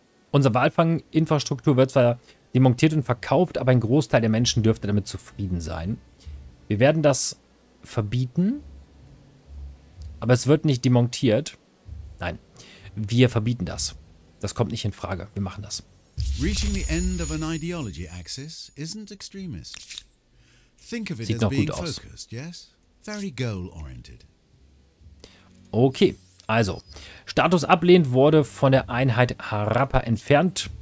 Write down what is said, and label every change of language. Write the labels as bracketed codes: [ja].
[de] Unsere Walfang-Infrastruktur wird zwar demontiert und verkauft, aber ein Großteil der Menschen dürfte damit zufrieden sein. Wir werden das verbieten, aber es wird nicht demontiert. Nein, wir verbieten das. Das kommt nicht in Frage. Wir machen das. [en] Reaching the end of an ideology axis isn't extremist. Think of it as being focused, yes? Very goal-oriented. Okay, also. [de] Status ablehnt wurde von der Einheit Harappa entfernt.